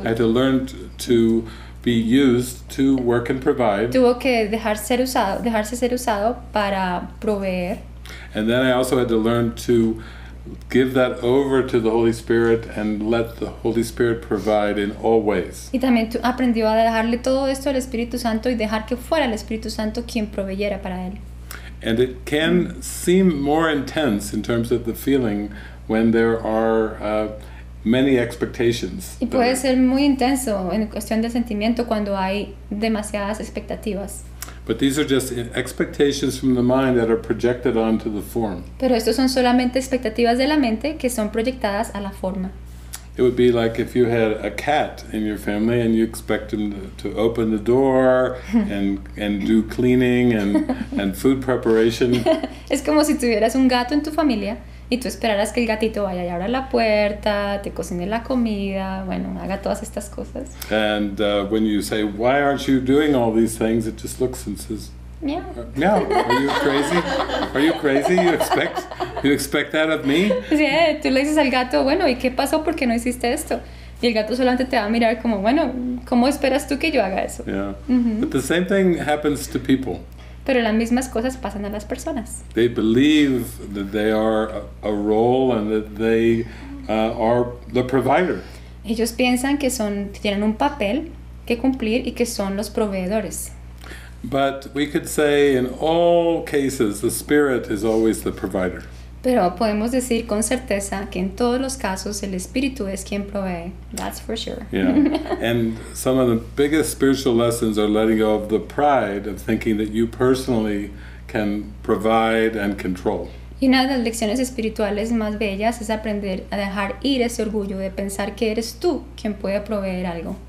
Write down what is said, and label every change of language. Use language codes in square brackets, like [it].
[en] I had to learn to be used to work and provide. [es] Tuvo que dejarse ser usado para proveer. [en] And then I also had to learn to give that over to the Holy Spirit and let the Holy Spirit provide in all ways. [es] Y también aprendió a dejarle todo esto al Espíritu Santo y dejar que fuera el Espíritu Santo quien proveyera para él. [en] And it can seem more intense in terms of the feeling when there are many expectations. [es] Y puede ser muy intenso en cuestión de sentimiento cuando hay demasiadas expectativas. [en] But these are just expectations from the mind that are projected onto the form. [es] Pero estos son solamente expectativas de la mente que son proyectadas a la forma. [en] It would be like if you had a cat in your family and you expect him to open the door and do cleaning and food preparation. [es] Es como si tuvieras un gato en tu familia y tú esperaras que el gatito vaya y abra la puerta, te cocine la comida, bueno, haga todas estas cosas. [en] And when you say, why aren't you doing all these things, it just looks and says, meow. Meow. Are you crazy? You expect that of me? [es] Sí, tú le dices al gato, bueno, ¿y qué pasó? ¿Por qué no hiciste esto? Y el gato solamente te va a mirar como, bueno, ¿cómo esperas tú que yo haga eso? [en] Yeah. But the same thing happens to people. [es] Pero las mismas cosas pasan a las personas. [en] They believe that they are a role and that they are the provider. [es] Ellos piensan que son, tienen un papel que cumplir y que son los proveedores. [en] But we could say in all cases the Spirit is always the provider. [es] Pero podemos decir con certeza que en todos los casos el Espíritu es quien provee. [en] That's for sure. Yeah. And some of the biggest spiritual lessons are letting go of the pride of thinking that you personally can provide and control. [es] Y una de las lecciones espirituales más bellas es aprender a dejar ir ese orgullo de pensar que eres tú quien puede proveer algo.